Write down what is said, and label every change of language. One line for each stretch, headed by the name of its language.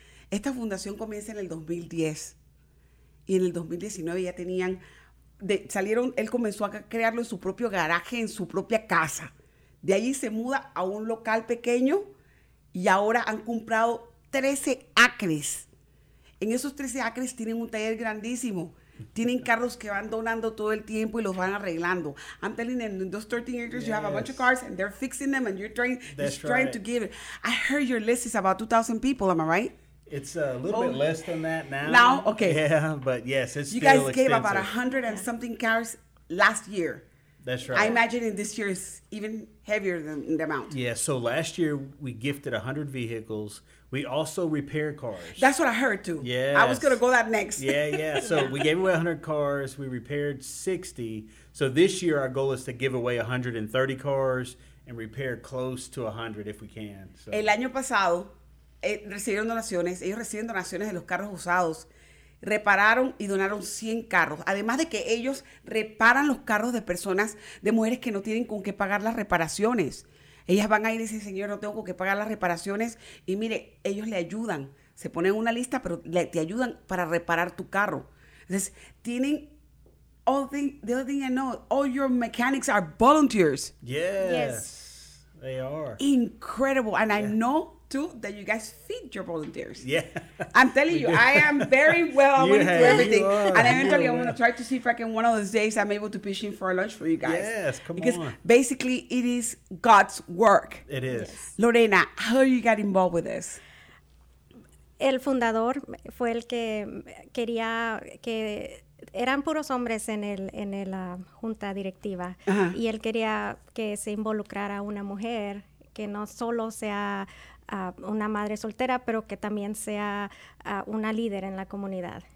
Spanish: Esta fundación comienza en el 2010. Y en el 2019 ya tenían, él comenzó a crearlo en su propio garaje, en su propia casa. De allí se muda a un local pequeño y ahora han comprado 13 acres. En esos 13 acres tienen un taller grandísimo. Tienen carros que van donando todo el tiempo y los van arreglando.
English: I'm telling them, in those 13 acres, you have a bunch of cars and they're fixing them and you're trying to give it. I heard your list is about 2,000 people, am I right? It's a little bit less than that now. Now, okay. Yeah, but yes, it's still expensive. You guys gave about 100 and something cars last year. That's right. I imagine in this year is even heavier than the amount. Yeah, so last year we gifted 100 vehicles. We also repair cars. That's what I heard too. Yeah. I was going to go that next. Yeah, yeah. So we gave away 100 cars. We repaired 60. So this year our goal is to give away 130 cars and repair close to 100 if we can. So.
Spanish: El año pasado, recibieron donaciones. Ellos reciben donaciones de los carros usados. Repararon y donaron 100 carros. Además de que ellos reparan los carros de personas, de mujeres que no tienen con qué pagar las reparaciones. Ellas van ahí y dicen, señor, no tengo con qué pagar las reparaciones. Y mire, ellos le ayudan. Se ponen una lista, pero te ayudan para reparar tu carro. Entonces, tienen
English: all your mechanics are volunteers. Yes. They are. Incredible. And I know, too, that you guys feed your volunteers. Yeah. I'm telling you, I am very well. I'm going to do everything. And eventually, I'm going to try to see if I can, one of those days, I'm able to pitch in for a lunch for you guys. Yes, come on. Because basically, it is God's work. It is. Yes. Lorena, how you got involved with this?
Spanish: El fundador fue el que quería que eran puros hombres en el junta directiva. Uh-huh. Y él quería que se involucrara una mujer que no solo sea una madre soltera, pero que también sea una líder en la comunidad.